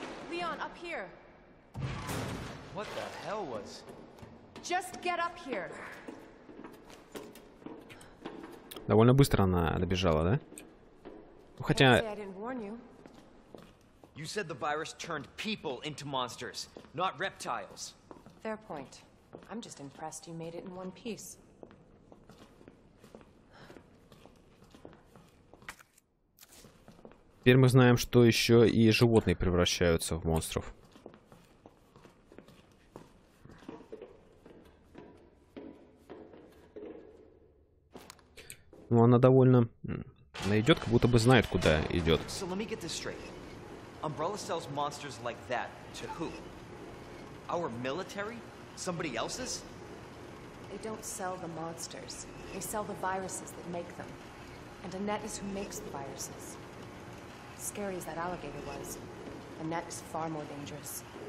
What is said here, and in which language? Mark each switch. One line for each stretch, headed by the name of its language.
English: Leon, up here. What the hell was? Just get up here.
Russian: Довольно быстро она добежала, да? Ну, хотя...
English: You said the virus turned people into monsters, not reptiles. Fair point. I'm just impressed you made it in one piece.
Russian: Теперь мы знаем, что еще и животные превращаются в монстров. Ну, она довольно... Она идет, как будто бы знает, куда идет.
English: So let me get this straight. Umbrella sells monsters like that to who? Our military? Somebody else's? They don't sell the monsters. They sell the viruses that make them. And Annette is who makes the viruses. Scary as that alligator was, Annette is far more dangerous.